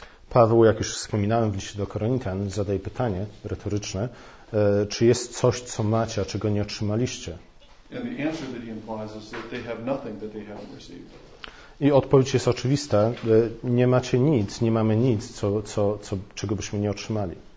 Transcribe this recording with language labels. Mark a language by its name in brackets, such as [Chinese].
[Polish] Paweł, jak już wspominałem w liście do Koryntian, zadaje pytanie retoryczne, czy jest coś, co macie, a czego nie otrzymaliście? [English] And the answer that he implies is that they have nothing that they haven't received. [Polish] I odpowiedź jest oczywista. Nie macie nic, nie mamy nic, co czego byśmy nie otrzymali.